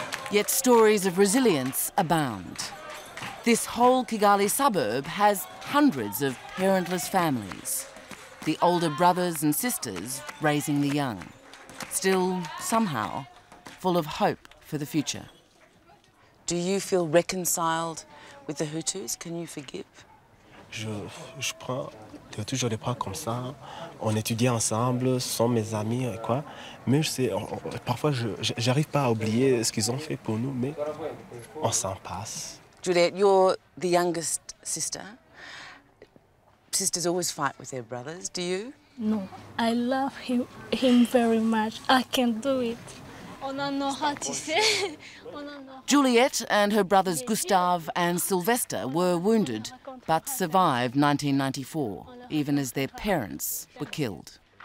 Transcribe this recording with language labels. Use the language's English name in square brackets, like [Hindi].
[English] Yet stories of resilience abound. This whole Kigali suburb has hundreds of parentless families, the older brothers and sisters raising the young, still somehow full of hope for the future. Do you feel reconciled with the Hutus? Can you forgive? [French] Je prends, je vais toujours les prendre comme ça. On étudie ensemble, sont mes amis et quoi. Mais c'est parfois j'arrive pas à oublier ce qu'ils ont fait pour nous, mais on s'en passe. [English] Juliette, you're the youngest sister. Sisters always fight with their brothers, do you? No, I love him very much. I can do it. On a no heart to say. Juliette and her brothers Gustave and Sylvester were wounded but survived 1994, even as their parents were killed.